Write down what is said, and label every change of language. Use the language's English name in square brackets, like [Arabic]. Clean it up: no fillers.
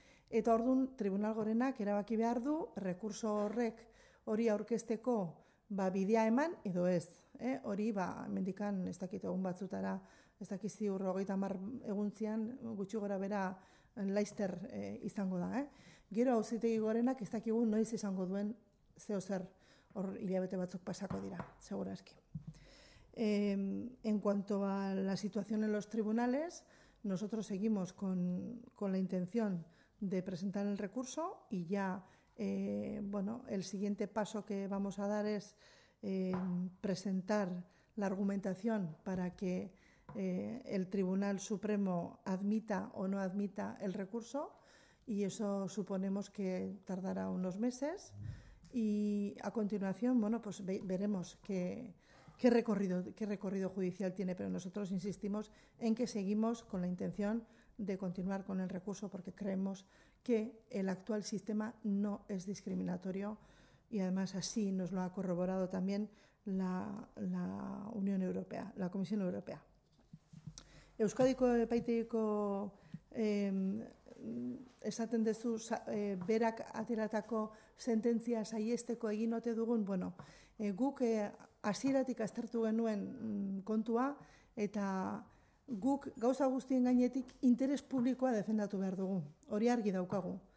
[Basque] Eta ordun Tribunal Gorenak erabaki behar du errekurso horrek hori aurkezteko ba bidea eman edo ez, hori ba mendikan ez dakit egun batzutara, ez dakit ziur 50 eguntzian gutxi gora bera laister izango da, Gero Auzitegi Gorenak ez dakigu noiz izango duen zeo zer, hor hilabete batzuk pasako dira, segurazki. [Spanish] En cuanto a la situación en los tribunales, nosotros seguimos con la intención de presentar el recurso y ya bueno, el siguiente paso que vamos a dar es presentar la argumentación para que el Tribunal Supremo admita o no admita el recurso y eso suponemos que tardará unos meses y a continuación, bueno, pues veremos qué recorrido judicial tiene, pero nosotros insistimos en que seguimos con la intención de continuar con el recurso porque creemos que el actual sistema no es discriminatorio y además así nos lo ha corroborado también la Unión Europea, la Comisión Europea. [Basque] Euskadiko epaitegiko esaten duzu berak ateratako sententzia saiesteko egin ote dugun, bueno, guk hasieratik aztertu genuen kontua eta guk gauza guztien gainetik interes publikoa defendatu behar dugu. Hori argi daukagu.